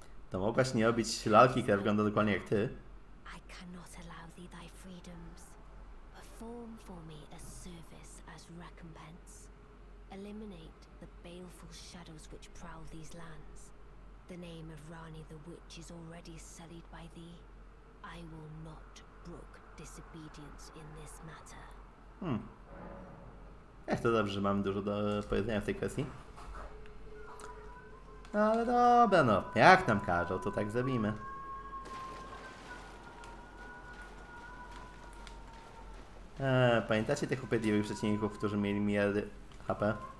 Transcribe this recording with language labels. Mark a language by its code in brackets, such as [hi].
[pl] To mogłaś nie robić lalki, która wygląda dokładnie jak ty. [en] I cannot allow thee thy freedoms. Perform for me a service as recompense. Eliminate the baleful shadows which prowl these lands. The name of Rani the Witch is already sullied by thee. I will not brook disobedience in this matter. [pl] Ech, to dobrze, że mam dużo do powiedzenia w tej kwestii. Ale dobra, no, jak nam każą, to tak zrobimy. Pamiętacie tych upierdliwych przeciwników, którzy mieli miliardy HP?